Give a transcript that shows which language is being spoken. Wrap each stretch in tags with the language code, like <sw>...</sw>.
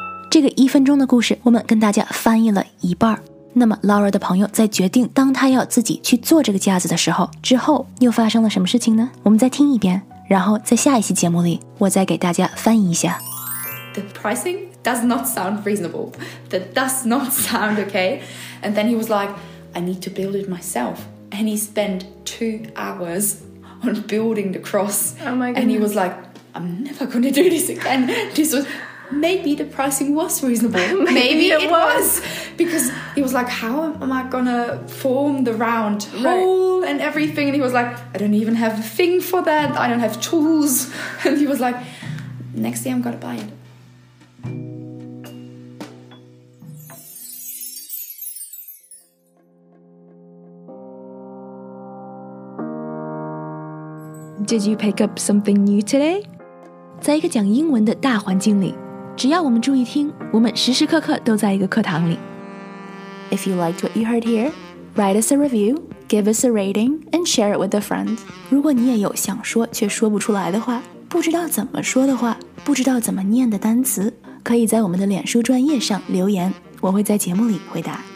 <zh>这个一分钟的故事我们跟大家翻译了一半那么 Laura 的朋友在决定当他要自己去做这个架子的时候之后又发生了什么事情呢我们再听一遍然后在下一期节目里我再给大家翻译一下</zh> <en>The pricing does not sound reasonable That does not sound okay And then he was like I need to build it myself And he spent 2 hours on building the cross Oh my goodness. And he was like I'm never going to do this again This wasMaybe the pricing was reasonable. Maybe it was. Because he was like, how am I going to form the round hole and everything? And he was like, I don't even have a thing for that. I don't have tools. And he was like, next day I'm going to buy it. Did you pick up something new today?</en> <zh>在一个讲英文的大环境里只要我们注意听，我们时时刻刻都在一个课堂里。</zh> <en>If you liked what you heard here, write us a review, give us a rating, and share it with a friend.</en> <zh>如果你也有想说却说不出来的话，不知道怎么说的话，不知道怎么念的单词，可以在我们的脸书专页上留言，我会在节目里回答。</zh>